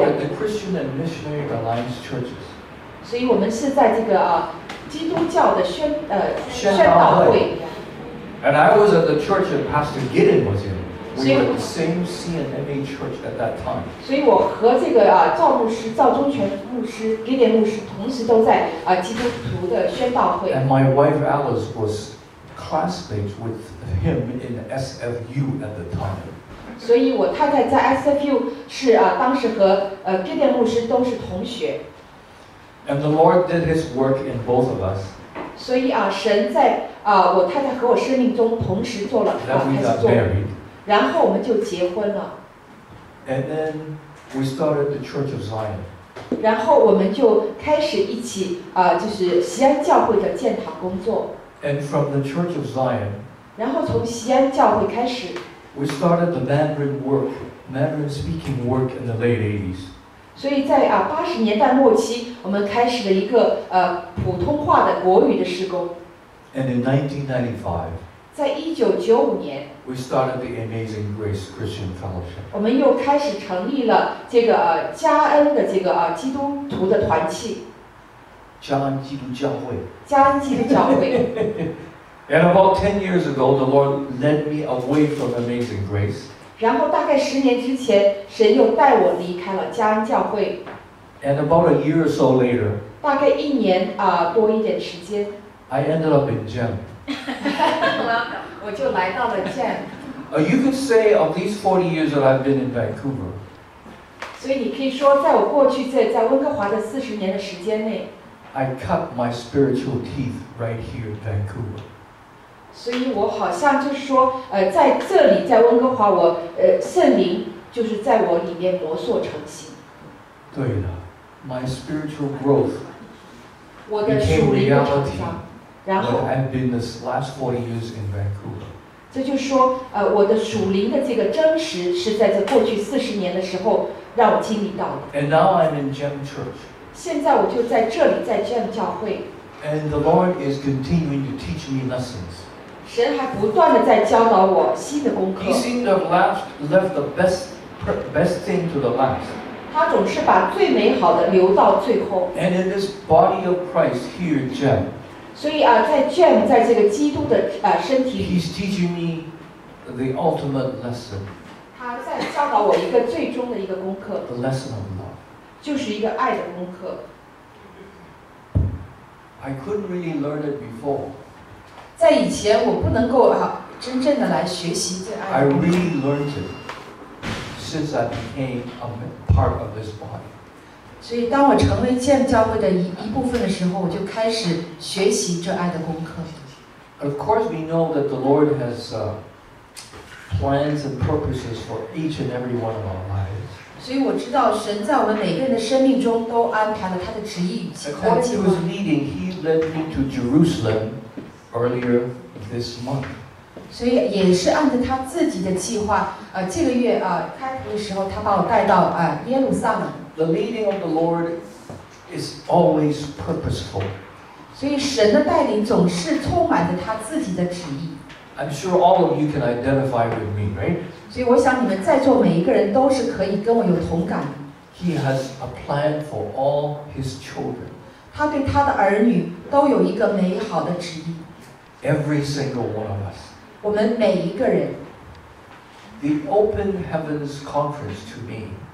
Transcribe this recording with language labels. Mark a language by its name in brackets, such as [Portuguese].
[English] were at the Christian and Missionary Alliance churches. [Chinese] 所以我们是在这个, 基督教的宣, 宣道会。 [English] And I was at the church that Pastor Gideon was in. We were the same CNMA church at that time. [Chinese] 所以我和这个啊赵牧师、赵忠全牧师、给点牧师同时都在啊基督徒的宣道会。 [English] And my wife Alice was classmates with him in SFU at the time. [Chinese] 所以我太太在 SFU 是啊当时和给点牧师都是同学。 [English] And the Lord did His work in both of us. [Chinese] 所以啊神在啊我太太和我生命中同时做了啊开始做。然后我们就结婚了。 [English] And then we started the Church of Zion. [Chinese] 然后我们就开始一起啊，就是锡安教会的建堂工作。 [English] And from the Church of Zion. [Chinese] 然后从锡安教会开始。 [English] We started the Mandarin work, Mandarin speaking work in the late 80s. [Chinese] 所以在啊八十年代末期，我们开始了一个普通话的国语的施工。 [English] And in 1995. [Chinese] 在1995年 [English] ，We started the Amazing Grace Christian Fellowship. [Chinese] 我们又开始成立了这个加恩的这个基督徒的团契。加恩基督教会。加恩基督教会。 [English] And about 10 years ago, the Lord led me away from Amazing Grace. [Chinese] 然后大概十年之前，神又带我离开了加恩教会。 [English] And about a year or so later. [Chinese] 大概一年啊多一点时间。 [English] I ended up in Gem. [Chinese] 我就来到了 Gem. [English] You could say of these 40 years that I've been in Vancouver. [Chinese] 所以你可以说，在我过去在温哥华的四十年的时间内 [English] ，I cut my spiritual teeth right here in Vancouver. [Chinese] 所以我好像就是说，在这里，在温哥华，我圣灵就是在我里面摩挲成形。对的 [English] ，my spiritual growth [Chinese] 我的属灵的成长 [English] became reality. What I've been this last 40 years in Vancouver. [Chinese] 这就是说，我的属灵的这个真实是在这过去四十年的时候让我经历到的。 [English] And now I'm in Gem Church. [Chinese] 现在我就在这里，在 Gem 教会。 [English] And the Lord is continuing to teach me lessons. [Chinese] 神还不断的在教导我新的功课。 [English] He seemed to have left the best thing to the last. [Chinese] 他总是把最美好的留到最后。 [English] And in this body of Christ here, Gem. [Chinese] 所以啊，在 Gem， 在这个基督的身体里。 [English] He's teaching me the ultimate lesson. [Chinese] 他在教导我一个最终的一个功课。 [English] The lesson of love. [Chinese] 就是一个爱的功课。 [English] I couldn't really learn it before. [Chinese] 在以前，我不能够真正的来学习这爱。 [English] I really learned it. Since I became a part of this body. [Chinese] 所以当我成为建教会的一部分的时候，我就开始学习这爱的功课。 [English] Of course, we know that the Lord has plans and purposes for each and every one of our lives. [Chinese] 所以我知道神在我们每个人的生命中都安排了他的旨意与计划。 [English] According to His leading, He led me to Jerusalem earlier this month. [Chinese] 所以也是按照他自己的计划，这个月开服的时候，他把我带到耶路撒冷。 [English] The leading of the Lord is always purposeful. [Chinese] 所以神的带领总是充满着他自己的旨意。 [English] I'm sure all of you can identify with me, right? [Chinese] 所以我想你们在座每一个人都是可以跟我有同感。 [English] He has a plan for all his children. [Chinese] 他对他的儿女都有一个美好的旨意。 [English] Every single one of us. [Chinese] 我们每一个人 [English] The Open Heavens Conference to me